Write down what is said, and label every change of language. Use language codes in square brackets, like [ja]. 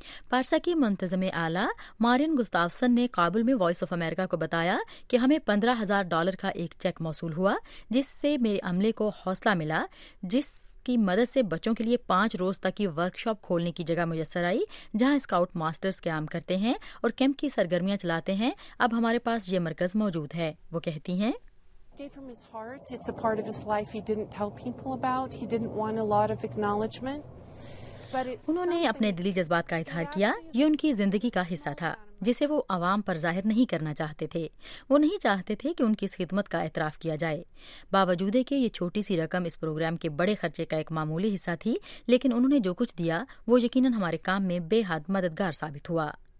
[ur] پارسا کی منتظم اعلی مارین گستافسن نے کابل میں وائس آف امریکہ کو بتایا کہ ہمیں $15,000 کا ایک چیک موصول ہوا، جس سے میرے عملے کو حوصلہ ملا، جس کی مدد سے بچوں کے لیے 5 روز تک کی ورک شاپ کھولنے کی جگہ میسر آئی جہاں اسکاؤٹ ماسٹرز قیام کرتے ہیں اور کیمپ کی سرگرمیاں چلاتے ہیں۔ اب ہمارے پاس یہ مرکز موجود ہے، وہ کہتی ہیں۔ [en] Gave from his heart. It's a part of his life he didn't tell people about. He didn't want a lot of acknowledgement. [ur] انہوں نے اپنے دلی جذبات کا اظہار کیا، یہ ان کی زندگی کا حصہ تھا۔ جسے وہ عوام پر ظاہر نہیں کرنا چاہتے تھے. وہ نہیں چاہتے تھے کہ ان کی اس خدمت کا اعتراف کیا جائے. باوجود کہ یہ چھوٹی سی رقم اس پروگرام کے بڑے خرچے کا ایک معمولی حصہ تھی، لیکن انہوں نے جو کچھ دیا وہ یقیناً ہمارے کام میں بے حد مددگار ثابت ہوا.